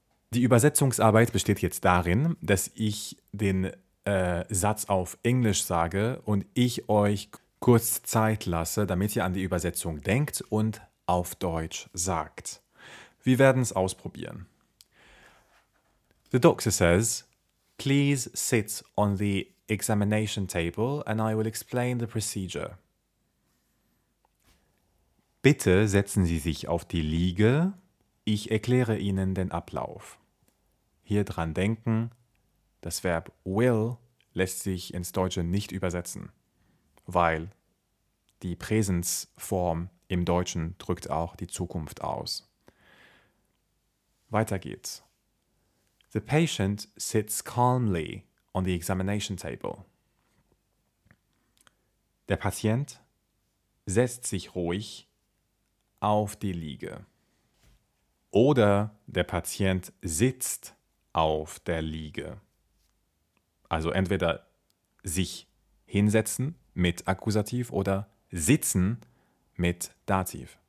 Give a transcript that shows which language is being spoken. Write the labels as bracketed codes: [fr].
[de] Die Übersetzungsarbeit besteht jetzt darin, dass ich den Satz auf Englisch sage und ich euch kurz Zeit lasse, damit ihr an die Übersetzung denkt und auf Deutsch sagt. Wir werden es ausprobieren. [en] The doctor says, please sit on the examination table and I will explain the procedure. [de] Bitte setzen Sie sich auf die Liege. Ich erkläre Ihnen den Ablauf. Hier dran denken, das Verb will lässt sich ins Deutsche nicht übersetzen, weil die Präsensform im Deutschen drückt auch die Zukunft aus. Weiter geht's. [en] The patient sits calmly on the examination table. [de] Der Patient setzt sich ruhig auf die Liege. Oder der Patient sitzt auf der Liege. Also entweder sich hinsetzen mit Akkusativ oder sitzen mit Dativ.